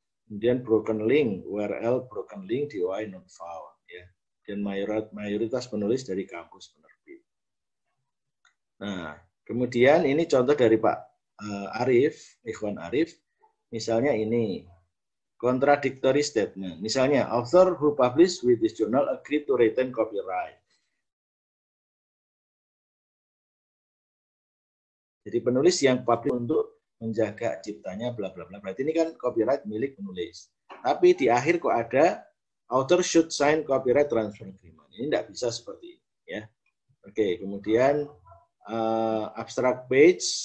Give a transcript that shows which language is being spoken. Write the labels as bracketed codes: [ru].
[en] Kemudian broken link, URL broken link, DOI not found, ya. [id] Dan mayoritas penulis dari kampus penerbit. Nah, kemudian ini contoh dari Pak Arif, Ikhwan Arif. Misalnya ini, contradictory statement. [en] Misalnya, author who published with this journal agreed to retain copyright. [id] Jadi penulis yang publish untuk menjaga ciptanya, bla bla bla. Berarti ini kan copyright milik penulis. Tapi di akhir kok ada author should sign copyright transfer agreement. Ini tidak bisa seperti ini, ya. Oke, kemudian abstract page.